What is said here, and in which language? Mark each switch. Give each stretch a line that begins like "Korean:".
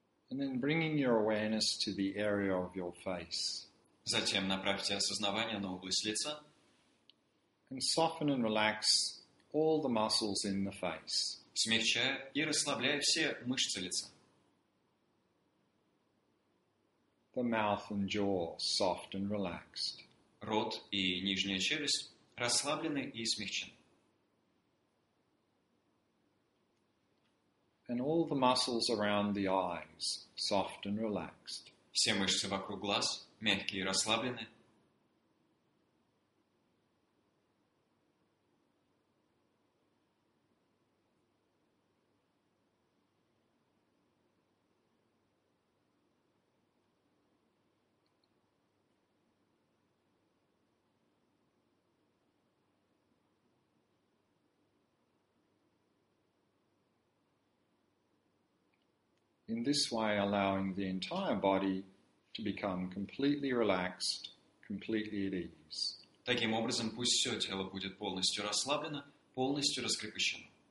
English: And then bringing your awareness to the area of your face.
Russian: Затем направьте осознавание на область лица.
English: And soften and relax all the muscles in the face.
Russian: Смягчая и расслабляя все мышцы лица.
English: The mouth and jaw soft and relaxed.
Russian: Рот и нижняя челюсть расслаблены и смягчены.
English: And all the muscles around the eyes, soft and relaxed.
Russian: Все мышцы вокруг глаз мягкие и расслаблены.
English: In this way, allowing the entire body to become completely relaxed, completely at ease.
Russian: Таким образом, пусть все тело будет полностью расслаблено, полностью раскрепощено.